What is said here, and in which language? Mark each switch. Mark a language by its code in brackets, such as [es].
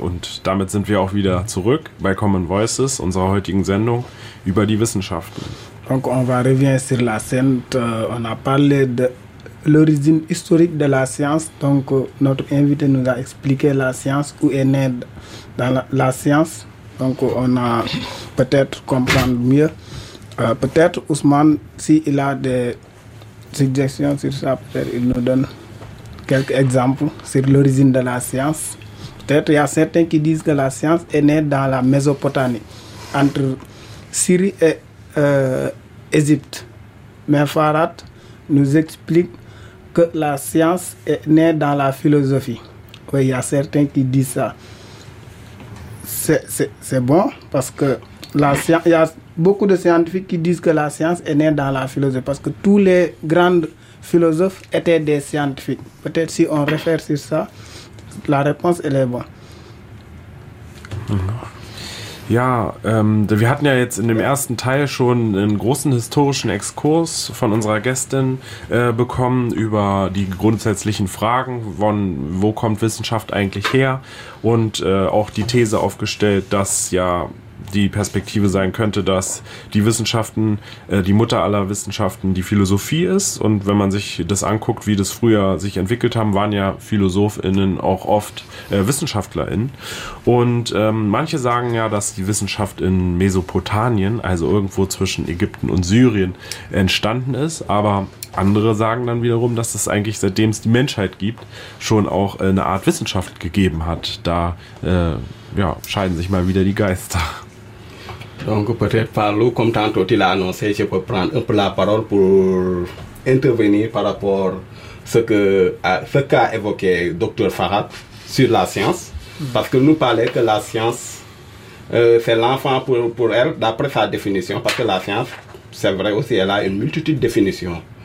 [de] Und damit sind wir auch wieder zurück bei Common Voices, unserer heutigen Sendung über die Wissenschaften. [fr] Donc on va revenir sur la scène. On a parlé de l'origine historique de la science. Donc notre invité nous a expliqué la science, où est née dans la science. Donc on a peut-être comprendre mieux. Peut-être Ousmane, s'il a des suggestions sur ça, peut-être il nous donne quelques exemples sur l'origine de la science. Peut-être il y a certains qui disent que la science est née dans la Mésopotamie, entre Syrie et Égypte. Mais Farhat nous explique que la science est née dans la philosophie. Oui, il y a certains qui disent ça. C'est bon parce que la science, il y a beaucoup de scientifiques qui disent que la science est née dans la philosophie parce que tous les grands philosophes étaient des scientifiques. Peut-être si on réfère sur ça, la réponse elle est bonne. [de] Ja, wir hatten ja jetzt in dem ersten Teil schon einen großen historischen Exkurs von unserer Gästin bekommen über die grundsätzlichen Fragen, wo kommt Wissenschaft eigentlich her, und auch die These aufgestellt, dass ja die Perspektive sein könnte, dass die Wissenschaften, die Mutter aller Wissenschaften, die Philosophie ist. Und wenn man sich das anguckt, wie das früher sich entwickelt haben, waren ja PhilosophInnen auch oft WissenschaftlerInnen. Und manche sagen ja, dass die Wissenschaft in Mesopotamien, also irgendwo zwischen Ägypten und Syrien, entstanden ist. Aber andere sagen dann wiederum, dass es eigentlich, seitdem es die Menschheit gibt, schon auch eine Art Wissenschaft gegeben hat. Da scheiden sich mal wieder die Geister. [fr] Donc peut-être Farlou, comme tantôt il a annoncé, je peux prendre un peu la parole pour intervenir par rapport à ce qu'a évoqué Dr Farhat sur la science. Parce que nous parlait que la science, c'est l'enfant pour elle, d'après sa définition, parce que la science, c'est vrai aussi, elle a une multitude de définitions.